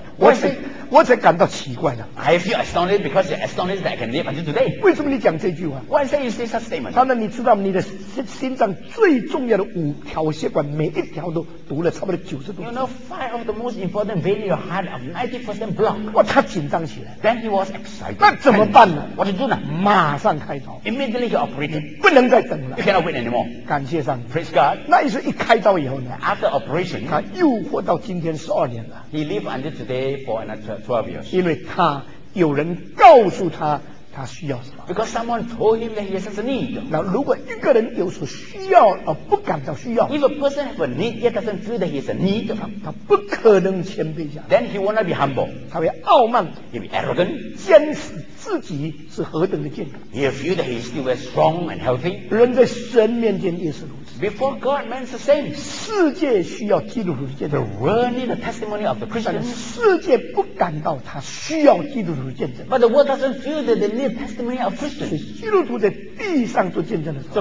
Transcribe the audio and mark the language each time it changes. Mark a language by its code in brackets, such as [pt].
[zh] 所以他问医生说，为什么我活到今天你奇怪，我才感到奇怪了。 [en] I feel astonished because you're astonished that I can live until today. [zh] 为什么你讲这句话？ [en] Why say you say such statement? [zh] 他说你知道你的心脏最重要的五条。血管每一条都读了差不多90度。 [en] You know, five of the most important veins in your heart are 90% blocked. [zh] 哇，他紧张起来。 [en] Then he was excited. [zh] 那怎么办呢？ [en] What to do now? [zh] 马上开刀。 [en] Immediately he operated. [zh] 不能再等了。 [en] You cannot wait anymore. [zh] 感谢上帝。 [en] Praise God. [zh] 那医生一开刀以后呢？ [en] After operation, [zh] 他又活到今天12年了。 [en] He lived until today for another 12 years. [zh] 因为他有人告诉他。他需要什么？ [en] Because someone told him that he has a need. [zh] 那如果一个人有所需要而不感到需要， [en] If a person has a need yet doesn't feel that he has a need, [zh] 他不可能谦卑下来。 [en] Then he will not be humble. [zh] 他会傲慢， [en] He'll be arrogant. [zh] 坚持自己是何等的健康， [en] He'll feel that he still is strong and healthy. [zh] 人在神面前也是如此。 [en] Before God, man's the same. [zh] 世界需要基督徒的见证。 [en] The world needs a testimony of the Christian. [zh] 世界不感到他需要基督徒的见证。 [en] But the world doesn't feel that they need testimony of Christians. [zh] 基督徒在地上做见证的时候，